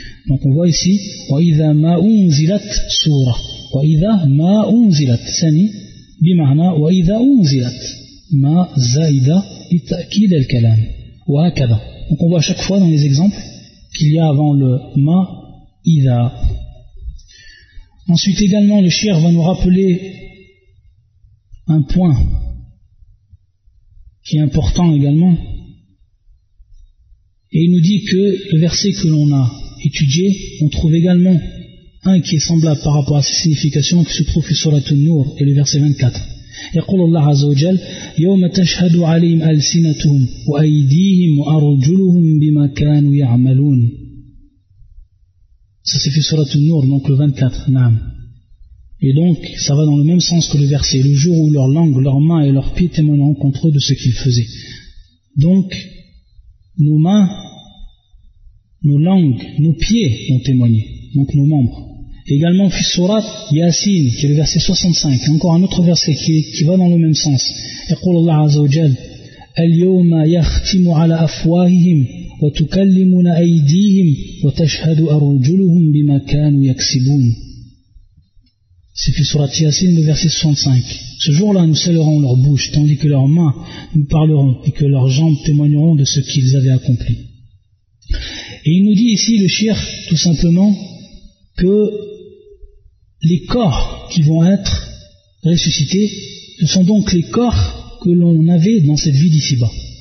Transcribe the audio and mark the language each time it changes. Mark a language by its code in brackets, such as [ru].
[fr] Donc on voit ici [ar] وَإِذَا مَا أُنْزِلَتْ سُورَةٌ وَإِذَا مَا أُنْزِلَتْ سَنِي بمعنى وَإِذَا أُنْزِلَتْ مَا زَادَ لِتَأْكِيدِ الْكَلَامِ وَهَكَذَا. [fr] Donc on voit à chaque fois dans les exemples qu'il y a avant le ma idha. Ensuite également le shir va nous rappeler un point qui est important également, et il nous dit que le verset que l'on a étudié, on trouve également un qui est semblable par rapport à ses significations, qui se trouve sur la Sourate An-Nur et le verset 24. [ar] يقول الله عز وجل يوم تشهد عليهم ألسنتهم وأيديهم وأرجلهم بما كانوا يعملون. [fr] Ça c'est sur la Sourate An-Nur, donc le 24. [ar] نعم. [fr] Et donc, ça va dans le même sens que le verset, le jour où leur langue, leurs mains et leurs pieds témoigneront contre eux de ce qu'ils faisaient. Donc, nos mains, nos langues, nos pieds ont témoigné, donc nos membres. Et également, [ar] fi surat Yasin, [fr] qui est le verset 65, encore un autre verset qui va dans le même sens. [ar] يقول الله عز وجل اليوم يختم على أفواههم وتكلمون أيديهم وتشهد أرجلهم بما كانوا يكسبون. [fr] C'est fait sur la Yassine, le verset 65. Ce jour-là, nous scellerons leur bouche, tandis que leurs mains nous parleront et que leurs jambes témoigneront de ce qu'ils avaient accompli. Et il nous dit ici, le shir, tout simplement, que les corps qui vont être ressuscités, ce sont donc les corps que l'on avait dans cette vie d'ici-bas.